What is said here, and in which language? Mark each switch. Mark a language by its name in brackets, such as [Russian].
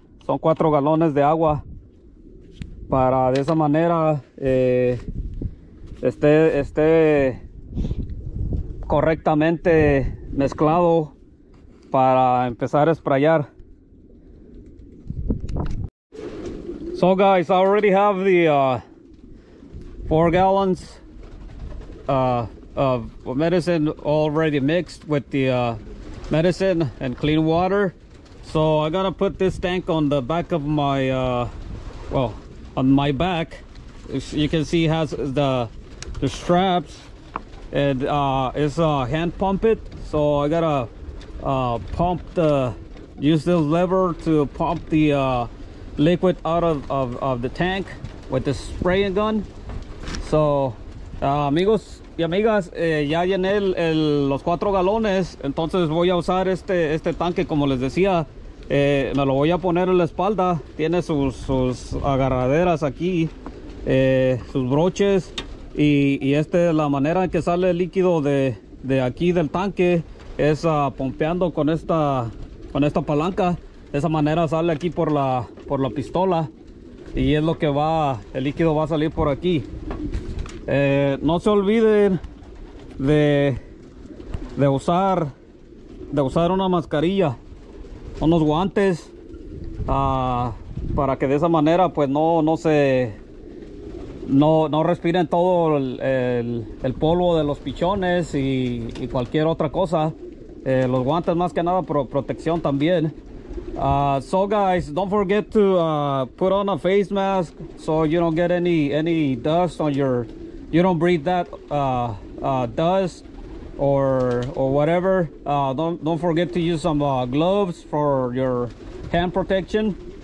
[Spanish] Son 4 galones de agua para de esa manera esté correctamente mezclado para empezar a sprayar. [English] So guys, I already have the 4 gallons of medicine already mixed with the medicine and clean water. So I gotta put this tank on the back of my on my back. You can see it has the straps, and it's a hand pump it. So I gotta use this lever to pump the liquid out of the tank with the spraying gun. [Spanish] So amigos y amigas, ya llené los 4 galones, entonces voy a usar este tanque, como les decía. Me lo voy a poner en la espalda, tiene sus agarraderas aquí, sus broches, y esta es la manera en que sale el líquido de aquí del tanque, es pompeando con esta palanca. De esa manera sale aquí por la pistola, y es lo que va, el líquido va a salir por aquí. No se olviden de usar una mascarilla, unos guantes, para que de esa manera pues no respiren todo el polvo de los pichones y cualquier otra cosa. Los guantes más que nada por protección también. [English] So guys, don't forget to put on a face mask so you don't get any dust on your... You don't breathe that dust or whatever. Don't forget to use some gloves for your hand protection.